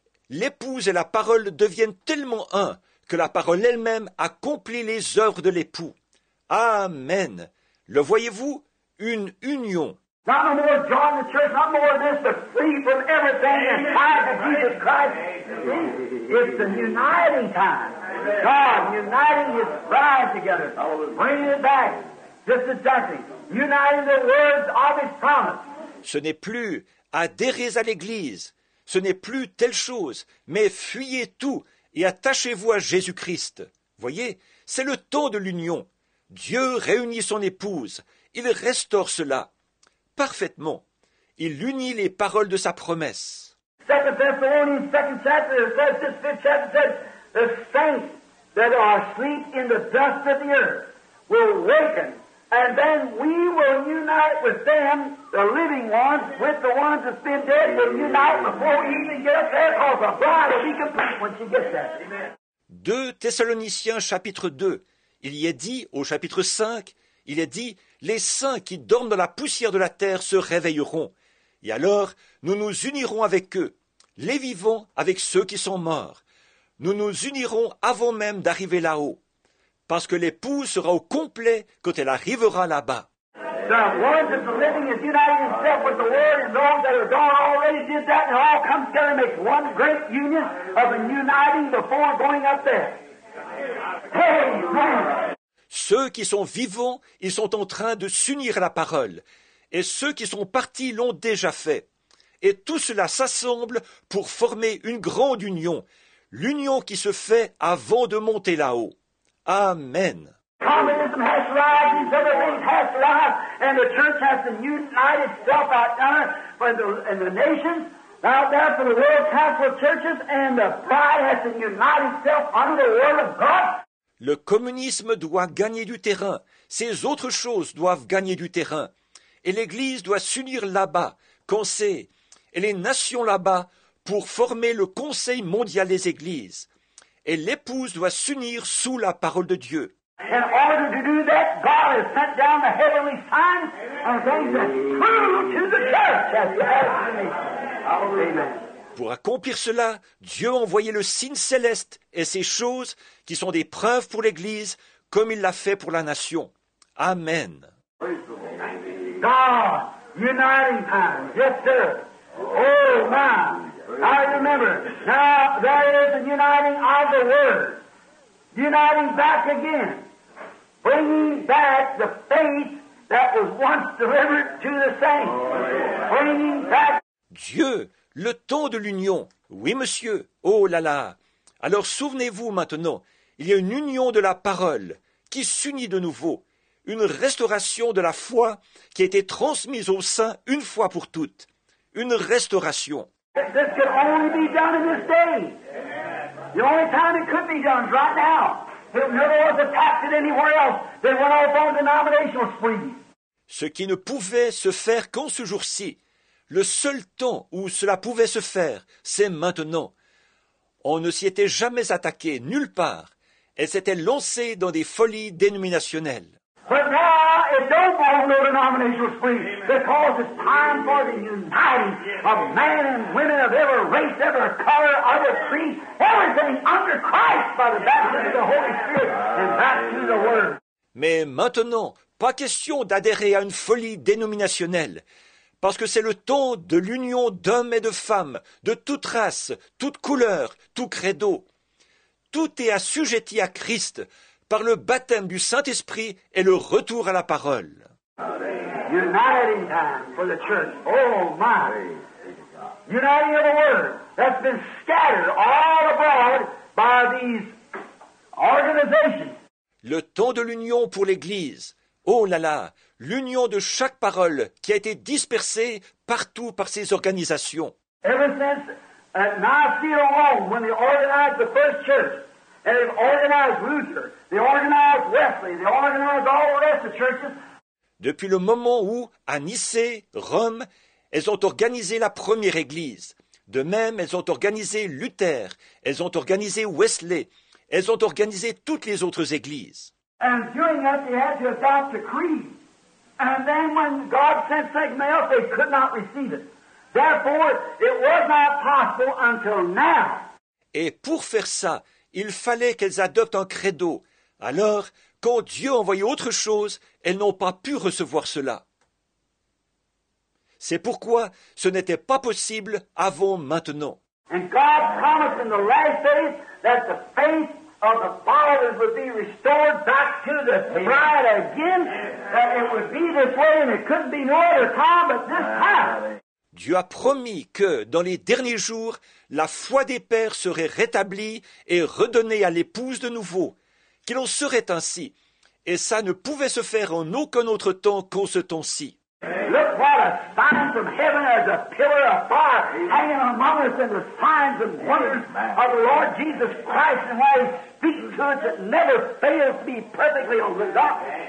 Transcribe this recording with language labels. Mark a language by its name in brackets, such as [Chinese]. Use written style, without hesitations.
[French] L'épouse et la parole deviennent tellement un que la parole elle-même accomplit les œuvres de l'époux. Amen. Le voyez-vous? Une union. [English] Not no more join the church, not more this, but free from everything and tied to Jesus Christ. It's the uniting time. God uniting his bride together. Bringing it back. Just exactly. Uniting the words of his promise. [French] Ce n'est plus adhérer à l'Église. Ce n'est plus telle chose, mais fuyez tout et attachez-vous à Jésus-Christ. Voyez, c'est le temps de l'union. Dieu réunit son épouse. Il restaure cela. Parfaitement. Il unit les paroles de sa promesse. [English] 2 Thessalonians, 2 chapter, it says, this 5th chapter says, the saints that are asleep in the dust of the earth will waken. And then we will unite with them, the living ones, with the ones that's been dead. We'll unite before we even get up there, because the bride will be complete when she gets there. Amen. [French] 2 Thessaloniciens chapitre 2, il y est dit, au chapitre 5, il est dit, « Les saints qui dorment dans la poussière de la terre se réveilleront, et alors nous nous unirons avec eux, les vivants avec ceux qui sont morts. Nous nous unirons avant même d'arriver là-haut, parce que l'épouse sera au complet quand elle arrivera là-bas. » [English] The ones that are living is united itself with the Word, and those that are gone already did that, and it all comes together and makes one great union of an uniting before going up there. Amen. [French] Ceux qui sont vivants, ils sont en train de s'unir à la parole. Et ceux qui sont partis l'ont déjà fait. Et tout cela s'assemble pour former une grande union. L'union qui se fait avant de monter là-haut. Amen. [English] Communism has arrived, these other things has arrived, and the church has to unite itself out there in the nations, out there for the world council churches, and the bride has to unite itself under the word of God. [French] Le communisme doit gagner du terrain. Ces autres choses doivent gagner du terrain. Et l'Église doit s'unir là-bas, quand c'est, et les nations là-bas, pour former le Conseil mondial des Églises. Et l'épouse doit s'unir sous la parole de Dieu. [English] In order to do that, God has sent down the heavenly signs and things that prove to the church as well. Amen. [French] Pour accomplir cela, Dieu a envoyé le signe céleste et ces choses qui sont des preuves pour l'Église, comme il l'a fait pour la nation. Amen. [English] God, uniting time. Yes, sir. Oh, my. I remember. Now, there is a uniting of the Word. Uniting back again. Bringing back the faith that was once delivered to the saints. Bringing back. [French] Dieu. Le temps de l'union. Oui, monsieur. Oh là là. Alors souvenez-vous maintenant, il y a une union de la parole qui s'unit de nouveau. Une restauration de la foi qui a été transmise au sein une fois pour toutes. Une restauration. [English] This could only be done in this day. The only time it could be done is right now. If it never was attacked anywhere else, they went off on denominational spree. [French] Ce qui ne pouvait se faire qu'en ce jour-ci. Le seul temps où cela pouvait se faire, c'est maintenant. On ne s'y était jamais attaqué, nulle part. Elle s'était lancée dans des folies dénominationnelles. [English] But now, it don't fall no denominational spree, because it's time for the uniting of men and women of every race, every color, other creed, everything under Christ by the baptism of the Holy Spirit and back to the Word. [French] Mais maintenant, pas question d'adhérer à une folie dénominationnelle. Parce que c'est le temps de l'union d'hommes et de femmes, de toute race, toute couleur, tout credo. Tout est assujetti à Christ par le baptême du Saint-Esprit et le retour à la parole. [English] Uniting time for the church. Oh my! Uniting of the word that's been scattered all abroad by these organizations. [French] Le temps de l'union pour l'Église. Oh là là! L'union de chaque parole qui a été dispersée partout par ces organisations. [English] Ever since at Nicaea Rome, when they organized the first church, and they organized Luther, they organized Wesley, they organized all the rest of churches. [French] Depuis le moment où, à Nicée, Rome, elles ont organisé la première église. De même, elles ont organisé Luther, elles ont organisé Wesley, elles ont organisé toutes les autres églises. [English] And during that, they had to adopt a creed. And then when God sent Saint Mail, they could not receive it. Therefore, it was not possible until now. [French] Et pour faire ça, il fallait qu'elles adoptent un credo. Alors, quand Dieu envoyait autre chose, elles n'ont pas pu recevoir cela. C'est pourquoi ce n'était pas possible avant maintenant. [English] And God promised in the last days that the faith of the fathers would be restored back to the bride again, that it would be this way, and it couldn't be no other time but this time. [French] Dieu a promis que, dans les derniers jours, la foi des pères serait rétablie et redonnée à l'épouse de nouveau, qu'il en serait ainsi. Et ça ne pouvait se faire en aucun autre temps qu'en ce temps-ci. [English] Look what a sign from heaven as a pillar of fire hanging among us in the signs and wonders of the Lord Jesus Christ and why he speaks to us that never fails to be perfectly on the dot.